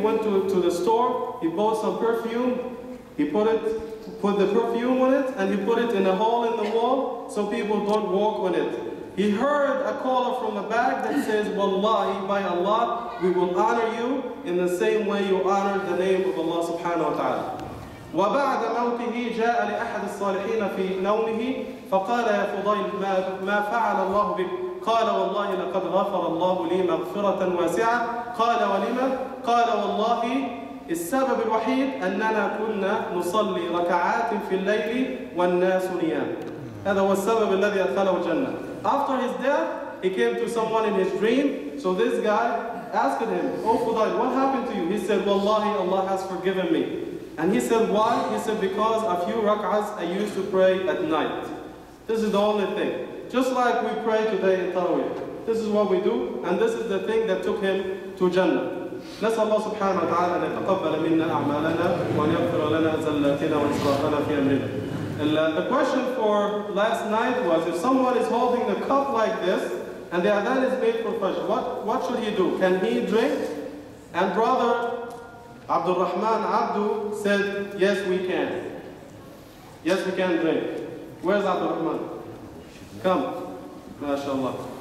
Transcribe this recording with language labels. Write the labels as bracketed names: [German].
[English] He went to the store. He bought some perfume. He put the perfume on it and he put it in a hole in the wall so people don't walk on it. He heard a caller from the back that says, Wallahi, by Allah, we will honor you in the same way you honor the name of Allah subhanahu wa ta'ala. [Arabic] وبعد موته جاء لأحد الصالحين في نومه فقال يا فضيل ما فعل الله بك قال والله لقد غفر الله لي مغفرة واسعة قال ولما قال والله السبب الوحيد أننا كنا نصلي ركعات في الليل والناس نيام هذا هو السبب الذي أدخله الجنة [English] After his death He came to someone in his dream. So this guy asked him, "Oh Khudai, what happened to you?" He said, "Wallahi, Allah has forgiven me." And he said, "Why?" He said, "Because a few rak'ahs I used to pray at night. This is the only thing. Just like we pray today in Taraweeh. This is what we do, and this is the thing that took him to Jannah." [Arabic] نسأل الله سبحانه وتعالى أن يتقبل منا أعمالنا وأن يغفر لنا زلاتنا وإسرافنا في أمرنا. [English] The question for last night was, if someone is holding a cup like this and the adhan is made for Fajr, what should he do? Can he drink? And brother Abdul Rahman Abdu said, "Yes, we can. Yes, we can drink." Where's Abdul Rahman? Come. MashaAllah.